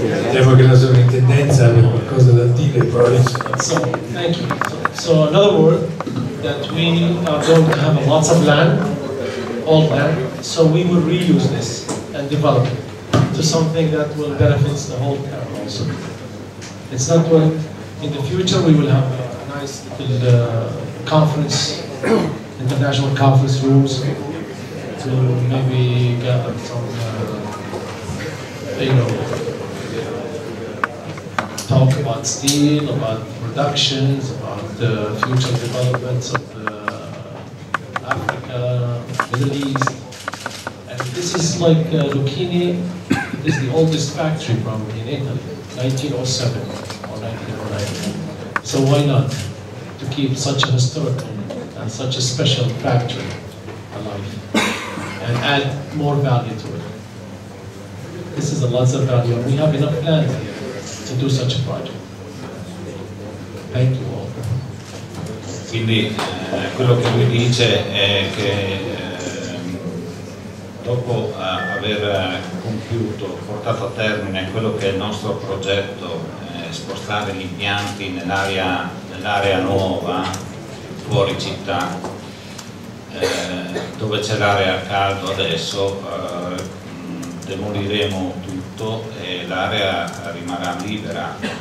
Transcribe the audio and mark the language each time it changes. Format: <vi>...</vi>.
<it>Devo che la sovrintendenza abbia qualcosa da dire, probabilmente.</it> <en>So, thank you. So, in other words, that we are going to have lots of land, all land, so we will reuse this and develop it to something that will benefit the whole town also. It's not what, in the future we will have a nice little conference, international conference rooms, to maybe gather some, talk about steel, about productions, about the future developments of Africa, Middle East. And this is like Lucchini, this is the oldest factory from in Italy, 1907 or 1909. So why not to keep such a historical and such a special factory alive and add more value to it? This is a lot of value, and we have enough land here to do such a project. Thank you all.</en> <it>Quindi quello che lui dice è che dopo aver compiuto, portato a termine quello che è il nostro progetto, spostare gli impianti nell'area nuova, fuori città, dove c'è l'area a caldo adesso, demoliremo tutto e l'area rimarrà libera.</it>